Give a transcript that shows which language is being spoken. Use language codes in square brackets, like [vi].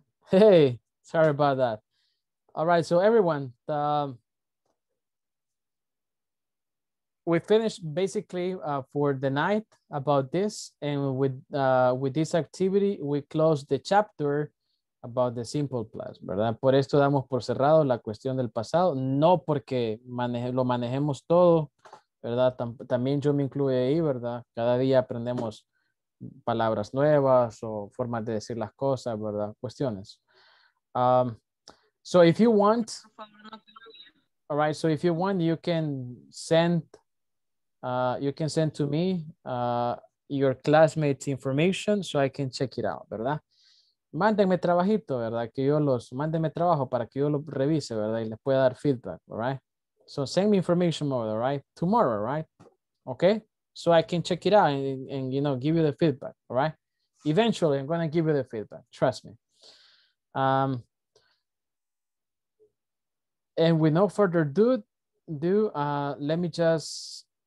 [en] Hey, sorry about that. All right, so everyone, we finished basically for the night about this, and with this activity, we closed the chapter about the simple plus, ¿verdad? [es] Por esto damos por cerrado la cuestión del pasado, no porque lo manejemos todo, ¿verdad? También yo me incluyo ahí, ¿verdad? Cada día aprendemos palabras nuevas o formas de decir las cosas, ¿verdad? [en] Cuestiones. So if you want, all right, so if you want, you can send to me your classmates' information so I can check it out, ¿verdad? [es] Mándenme trabajito, ¿verdad? Que yo los, mándenme trabajo para que yo lo revise, ¿verdad? Y les pueda dar feedback, all right? [en] So send me information more, all right? Tomorrow, right? Okay? So I can check it out and you know, give you the feedback, all right? Eventually, I'm going to give you the feedback. Trust me. And with no further ado, let me just